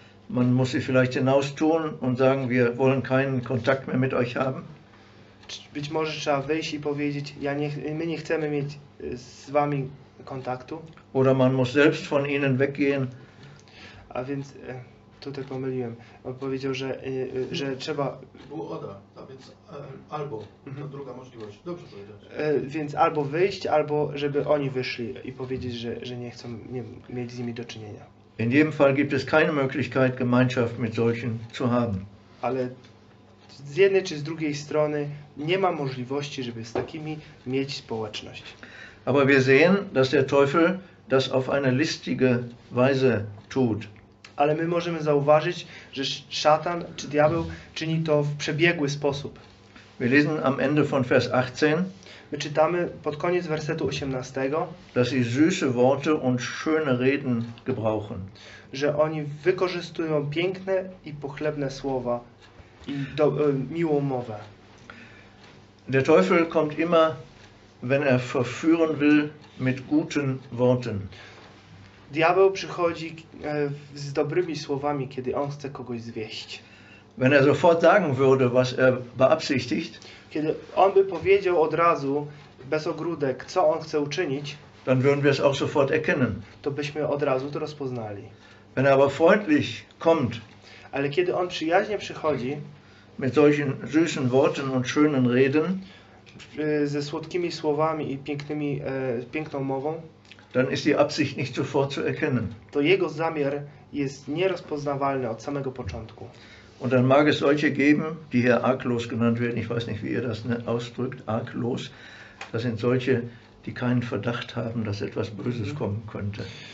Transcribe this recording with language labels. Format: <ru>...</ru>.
<de>Man muss sie vielleicht hinaus tun und sagen, wir wollen keinen Kontakt mehr mit euch haben.</de> <pl>Być może trzeba wyjść i powiedzieć, my nie chcemy mieć z wami kontaktu.</pl> <de>Oder man muss selbst von ihnen weggehen.</de> <pl>A więc tutaj pomyliłem. Powiedział, że trzeba. Było oder, a więc albo. Mhm. To druga możliwość. Dobrze powiedziałeś. Więc albo wyjść, albo żeby oni wyszli i powiedzieć, że nie chcą mieć z nimi do czynienia.</pl> <de>In jedem Fall gibt es keine Möglichkeit, Gemeinschaft mit solchen zu haben.</de> <pl>Ale z jednej czy z drugiej strony nie ma możliwości, żeby z takimi mieć społeczność.</pl> <de>Aber wir sehen, dass der Teufel das auf eine listige Weise tut.</de> <pl>Ale my możemy zauważyć, że szatan czy diabeł czyni to w przebiegły sposób.</pl> <de>Wir lesen am Ende von Vers 18.</de> <pl>My czytamy pod koniec wersetu 18,</pl> <de>dass sie süße Worte und schöne Reden gebrauchen.</de> <pl>Że oni wykorzystują piękne i pochlebne słowa i miłą mowę.</pl> <de>Der Teufel kommt immer, wenn er verführen will, mit guten Worten.</de> <pl>Diabeł przychodzi z dobrymi słowami, kiedy on chce kogoś zwieść.</pl> <de>Wenn er sofort sagen würde, was er beabsichtigt,</de> <pl>kiedy on by powiedział od razu, bez ogródek, co on chce uczynić,</pl> <de>dann würden wir es auch sofort erkennen.</de> <pl>To byśmy od razu to rozpoznali.</pl> <de>Wenn er aber freundlich kommt,</de> <pl>ale kiedy on przyjaźnie przychodzi,</pl> <de>mit solchen süßen Worten und schönen Reden,</de> <pl>ze słodkimi słowami i piękną mową,</pl> <de>dann ist die Absicht nicht sofort zu erkennen.</de> <pl>To jego zamiar jest nierozpoznawalny od samego początku.</pl> <de>Und dann mag es solche geben, die hier arglos genannt werden. Ich weiß nicht, wie ihr das ausdrückt, arglos. Das sind solche, die keinen Verdacht haben, dass etwas Böses kommen könnte.</de>